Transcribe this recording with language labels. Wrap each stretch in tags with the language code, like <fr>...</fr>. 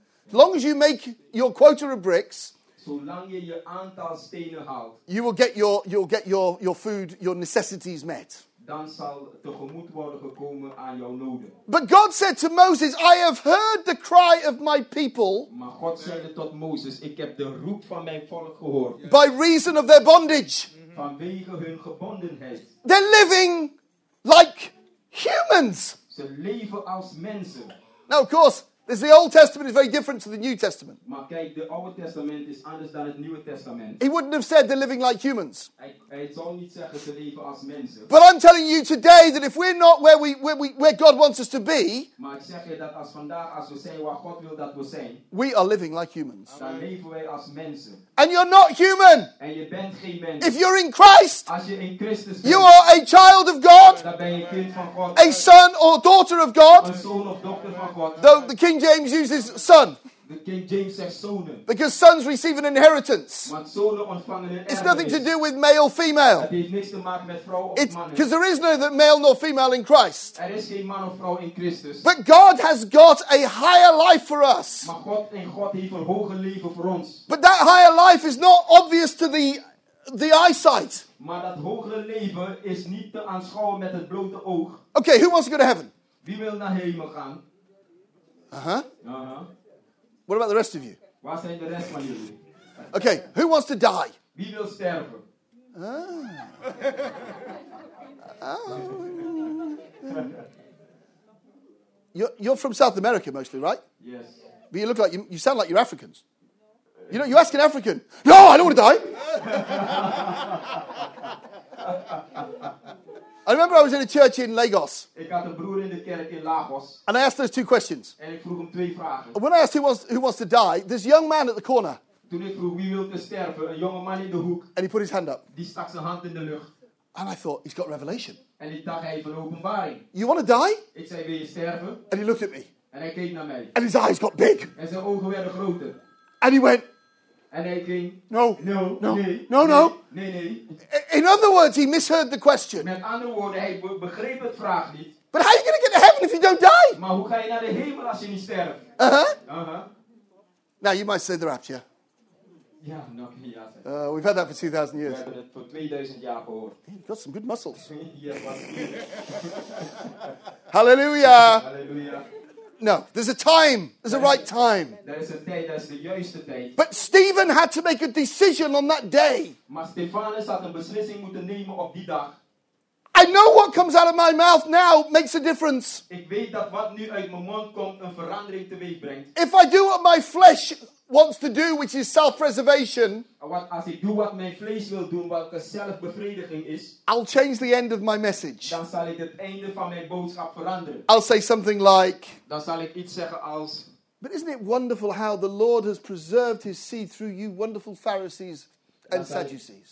<en>As long as you make your quota of bricks,</en> <nl>zolang je aantal stenen haalt,</nl> <en>you will get your food, your necessities met.</en> <nl>Dan zal tegemoet worden gekomen aan jouw noden.</nl> <en>But God said to Moses, I have heard the cry of my people.</en> <nl>Maar God zeide tot Mozes, ik heb de roep van mijn volk gehoord.</nl> <en>By reason of their bondage.</en> <nl>Vanwege hun gebondenheid.</nl> <en>They're living like humans.</en> <nl>Ze leven als mensen.</nl> <en>Now, of course, this, the Old Testament is very different to the New Testament.</en> <nl>Maar kijk, de Oude Testament is anders dan het Nieuwe Testament.</nl> <en>He wouldn't have said they're living like humans.</en> <nl>Hij zal niet zeggen ze leven als mensen.</nl> <en>But I'm telling you today that if we're not where God wants us to be,</en> <nl>maar ik zeg je dat als vandaag, als we zijn waar God wil dat we zijn,</nl> <en>we are living like humans.</en> <nl>Dan leven wij als mensen.</nl> <en>And you're not human.</en> <nl>En je bent geen mens.</nl> <en>If you're in Christ,</en> <nl>als je in Christus bent,</nl> <en>you are a child of God,</en> <nl>dan ben je kind van God,</nl> <en>a son or daughter of God,</en> <nl>een zoon of dochter van God.</nl> <en>Though the King James uses son. The King James says sonen. Because sons receive an inheritance.</en> <nl>Want zonen ontvangen een</nl> <en>erfenis. It's nothing to do with male, female.</en> <nl>Het heeft niks te maken met vrouw of mannen.</nl> <en>Because there is no male nor female in Christ.</en> <nl>Er is geen man of vrouw in Christus.</nl> <en>But God has got a higher life for us.</en> <nl>Maar God heeft een hoger leven voor ons.</nl> <en>But that higher life is not obvious to the eyesight.</en> <nl>Maar dat hogere leven is niet te aanschouwen met het blote oog.</nl> <en>Okay, who wants to go to heaven?</en> <nl>Wie wil naar hemel gaan?</nl> <en>Uh-huh. What about the rest of you?</en> <nl>Waar zijn de rest van jullie?</nl> <en>Okay, who wants to die?</en> <nl>Wie wil sterven?</nl> <en>You're from South America mostly, right? Yes. But you look like you sound like you're Africans. You know, you ask an African, no, I don't want to die. I remember I was in a church in Lagos.</en> <nl>Ik had een broer in de kerk in Lagos.</nl> <en>And I asked those two questions.</en> <nl>En ik vroeg hem twee vragen.</nl> <en>And when I asked who wants to die, this young man at the corner.</en> <nl>Toen ik vroeg wie wil te sterven, een jonge man in de hoek.</nl> <en>And he put his hand up.</en> <nl>Die stak zijn hand in de lucht.</nl> <en>And I thought, he's got revelation.</en> <nl>En ik dacht, hij heeft een openbaring.</nl> <en>You want to die?</en> <nl>Ik zei, wil je sterven?</nl> <en>And he looked at me.</en> <nl>En hij keek naar mij.</nl> <en>And his eyes got big.</en> <nl>En zijn ogen werden groter.</nl> <en>And he went. And I think, No. In other words, he misheard the question.</en> <nl>Met andere woorden, hij begreep het vraag niet.</nl> <en>But how are you going to get to heaven if you don't die?</en> <nl>Maar hoe ga je naar de hemel als je niet sterft?</nl> <en>Now you might say the rapture. Yeah, no. We've had that for 2,000 years.</en> <nl>We hebben het voor 2,000 jaar gehoord.</nl> <en>You've got some good muscles. Yeah, Hallelujah. Hallelujah. No, there's a time. There's a right time. There is a day. That's the juiste day. But Stephen had to make a decision on that day.</en> <nl>Maar Stefanus had een beslissing moeten nemen op die dag.</nl> <en>I know what comes out of my mouth now makes a difference.</en> <nl>Ik weet dat wat nu uit mijn mond komt een verandering teweeg brengt.</nl> <en>If I do what my flesh wants to do, which is self-preservation.</en> <nl>Als ik doe wat mijn vlees wil doen, welke zelfbevrediging is.</nl> <en>I'll change the end of my message.</en> <nl>Dan zal ik het einde van mijn boodschap veranderen.</nl> <en>I'll say something like.</en> <nl>Dan zal ik iets zeggen als.</nl> <en>But isn't it wonderful how the Lord has preserved his seed through you wonderful Pharisees and Sadducees.</en>